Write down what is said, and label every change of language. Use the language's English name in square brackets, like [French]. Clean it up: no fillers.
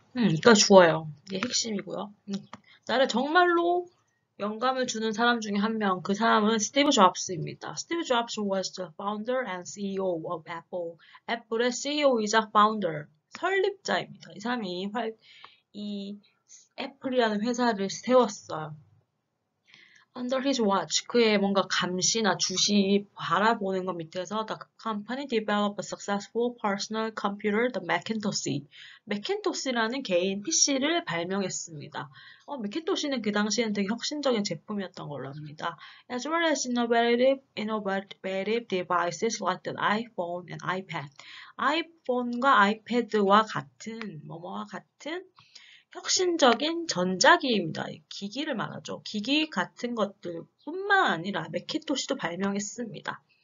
[Korean] 이거 주어요. 이게 핵심이고요. 나를 정말로 영감을 주는 사람 중에 한 명, 그 사람은 스티브 잡스입니다. [English] 스티브 잡스 was the founder and CEO of Apple. [Korean] 애플의 CEO이자 founder, 설립자입니다. 이 사람이 이 애플이라는 회사를 세웠어요. [English] Under his watch, [Korean] 그의 뭔가 감시나 주시 바라보는 것 밑에서 [English] The company developed a successful personal computer, the Macintosh. [Korean] 맥킨토시라는 개인 PC를 발명했습니다. 맥킨토시는 그 당시에는 되게 혁신적인 제품이었던 걸로 합니다. [English] As well as innovative devices like the iPhone and iPad. [Korean] 아이폰과 아이패드와 같은, 뭐뭐와 같은 혁신적인 전자기기입니다. 기기를 말하죠. 기기 같은 것들 뿐만 아니라 매킨토시도 발명했습니다.